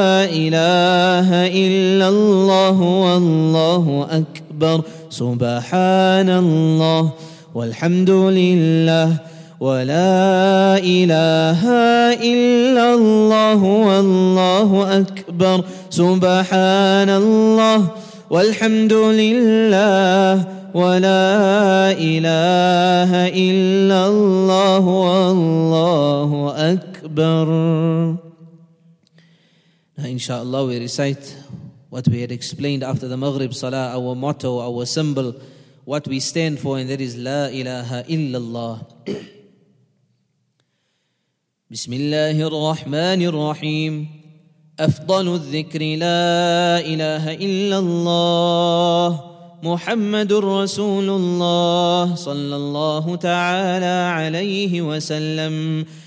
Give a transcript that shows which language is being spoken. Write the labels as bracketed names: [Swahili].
[Arabic] إله إلا الله والله أكبر سبحان الله والحمد لله ولا إله إلا الله والله أكبر سبحان الله والحمد لله ولا إله إلا الله والله أكبر. [English] Now, inshallah, we recite what we had explained after the Maghrib Salah, our motto, our symbol, what we stand for, and that is La ilaha illallah. [Arabic] بسم الله الرحمن الرحيم أفضل الذكر لا إله إلا الله محمد رسول الله صلى الله تعالى عليه وسلم